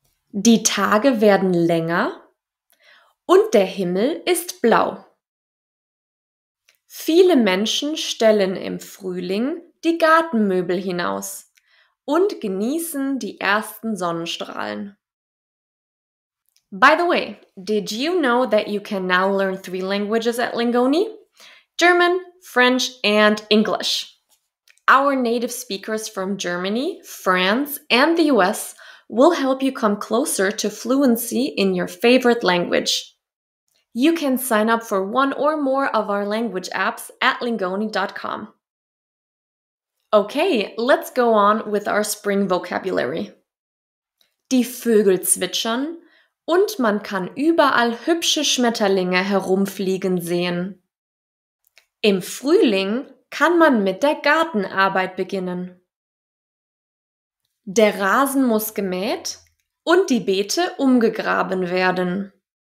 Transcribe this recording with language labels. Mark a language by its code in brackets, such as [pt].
[de] Die Tage werden länger und der Himmel ist blau. Viele Menschen stellen im Frühling die Gartenmöbel hinaus und genießen die ersten Sonnenstrahlen. [en] By the way, did you know that you can now learn three languages at Lingoni? German, French, and English. Our native speakers from Germany, France, and the US will help you come closer to fluency in your favorite language. You can sign up for one or more of our language apps at lingoni.com. Okay, let's go on with our spring vocabulary. [de] Die Vögel zwitschern. Und man kann überall hübsche Schmetterlinge herumfliegen sehen. Im Frühling kann man mit der Gartenarbeit beginnen. Der Rasen muss gemäht und die Beete umgegraben werden.